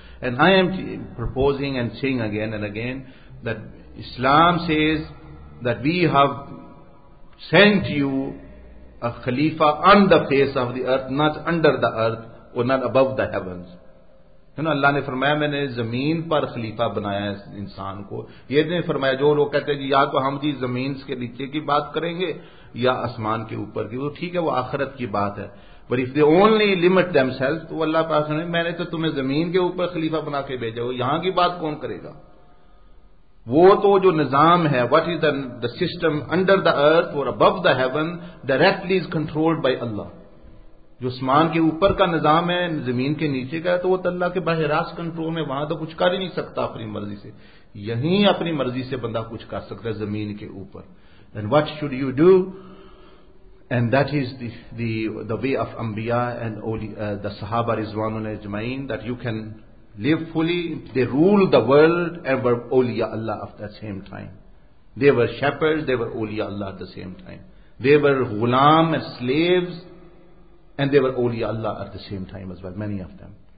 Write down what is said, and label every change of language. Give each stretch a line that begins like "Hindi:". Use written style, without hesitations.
English: And I am proposing and saying again and again that Islam says that we have sent you a Khalifa on the face of the earth, not under the earth or not above the heavens. You know,
Urdu: Allah نے فرمایا میں نے زمین پر خلیفہ بنایا انسان کو. یہ نے فرمایا جو لوگ کہتے ہیں جی یا تو ہم جی زمین کے نیچے کی بات کریں گے یا آسمان کے اوپر کی, تو ٹھیک ہے وہ آخرت کی بات ہے.
English: But if they only limit themselves,
Urdu: تو اللہ پاک نے میں نے تو تمہیں زمین کے اوپر خلیفہ بنا کے بھیجا, وہ یہاں کی بات کون کرے گا. وہ تو جو نظام ہے,
English: what is the system under the earth or above the heaven, directly is controlled by Allah.
Urdu: جو آسمان کے اوپر کا نظام ہے, زمین کے نیچے کا ہے, تو وہ تو اللہ کے براہ راست کنٹرول میں, وہاں تو کچھ کر ہی نہیں سکتا اپنی مرضی سے. یہیں اپنی مرضی سے بندہ کچھ کر سکتا ہے زمین کے اوپر.
English: And what should you do? And that is the way of Anbiya and the Sahaba Rizwanun Ajmain, that you can live fully. They rule the world and were awliya Allah at the same time. They were shepherds, they were awliya Allah at the same time. They were ghulam and slaves, and they were awliya Allah at the same time as well, many of them.